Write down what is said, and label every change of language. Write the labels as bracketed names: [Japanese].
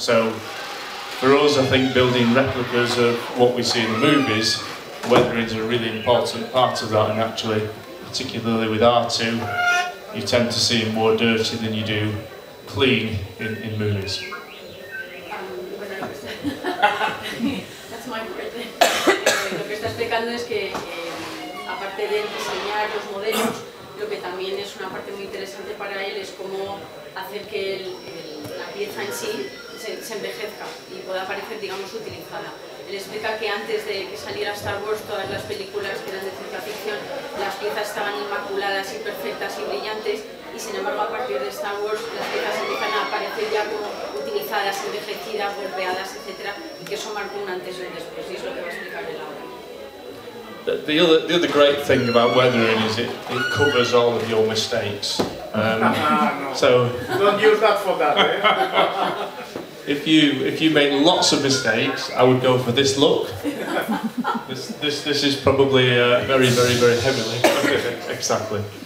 [English] So for us, I think building replicas of what we see in the movies, weathering is a really important part of that. And actually, particularly with R2, you tend to see him more dirty than you do clean in movies. That's my favorite. [Spanish] Lo que está explicando es que, aparte de diseñar los modelos, lo que también es una parte muy interesante para él es cómo hacer que la pieza en sí se envejezca y pueda parecer, digamos, utilizada. Él explica que antes de que saliera Star Wars, todas las películas que eran de ciencia ficción, las piezas estaban inmaculadas y perfectas y brillantes, y sin embargo, a partir de Star Wars, las piezas empiezan a aparecer ya como utilizadas, envejecidas, golpeadas, etc. Y que eso marcó un antes y un después, y es lo que va a explicar él ahora. [English] The other great thing about weathering is it covers all of your mistakes. No. Don't use that for that. If you make lots of mistakes, I would go for this look. This is probably very very very heavily. Exactly.